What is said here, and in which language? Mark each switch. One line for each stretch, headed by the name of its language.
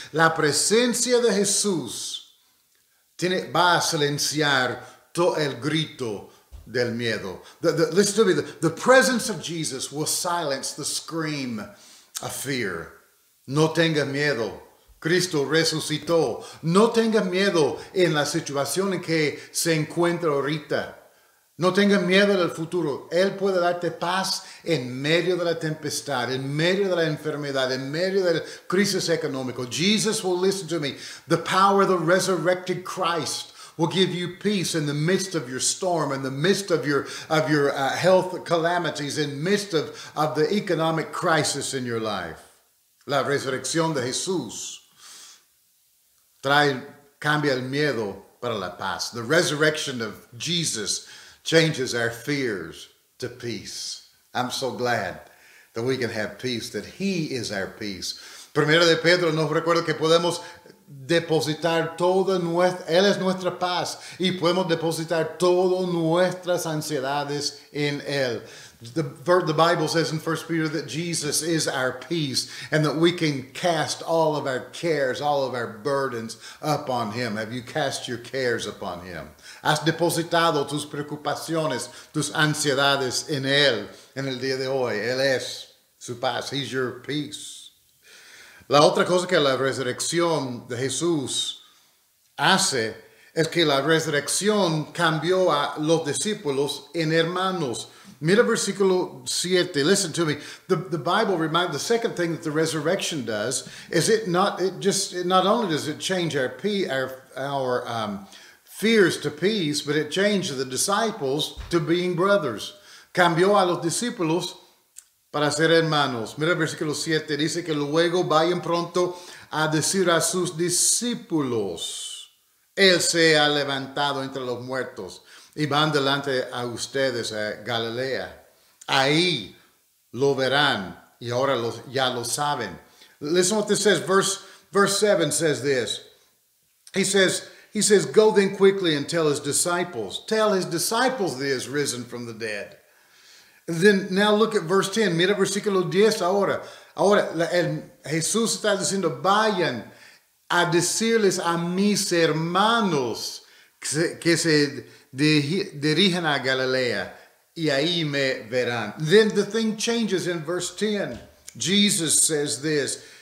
Spanish: La presencia de Jesús va a silenciar todo el grito del miedo.
English: Listen to me. The presence of Jesus will silence the scream of fear.
Spanish: No tenga miedo. Cristo resucitó. No tenga miedo en la situación en que se encuentra ahorita. No tengas miedo del futuro. Él puede darte paz en medio de la tempestad, en medio de la enfermedad, en medio de la crisis económica.
English: Jesus will listen to me. The power of the resurrected Christ will give you peace in the midst of your storm, in the midst of your health calamities, in the midst of the economic crisis in your life.
Spanish: La resurrección de Jesús cambia el miedo para la paz.
English: The resurrection of Jesus changes our fears to peace. I'm so glad that we can have peace, that He is our peace.
Spanish: Primero de Pedro nos recuerda que podemos depositar toda nuestra, Él es nuestra paz, y podemos depositar todas nuestras ansiedades en Él.
English: The Bible says in 1 Peter that Jesus is our peace and that we can cast all of our cares, all of our burdens up on Him. Have you cast your cares upon Him?
Spanish: Has depositado tus preocupaciones, tus ansiedades en Él en el día de hoy. Él es su paz.
English: He's your peace.
Spanish: La otra cosa que la resurrección de Jesús hace es que la resurrección cambió a los discípulos en hermanos. Mira versículo 7,
English: listen to me. The Bible reminds, the second thing that the resurrection does is not only does it change our fears to peace, but it changed the disciples to being brothers.
Spanish: Cambió a los discípulos para ser hermanos. Mira versículo 7, dice que luego vayan pronto a decir a sus discípulos, Él se ha levantado entre los muertos. Y van delante a ustedes a Galilea. Ahí lo verán. Y ahora ya lo saben.
English: Listen what this says. Verse 7 says this. He says, go then quickly and tell his disciples that he has risen from the dead. And then now look at verse 10.
Spanish: Mira versículo 10 ahora. Ahora Jesús está diciendo, vayan a decirles a mis hermanos que se dirigen a Galilea y ahí me verán.
English: Then the thing changes in verse 10. Jesus says this.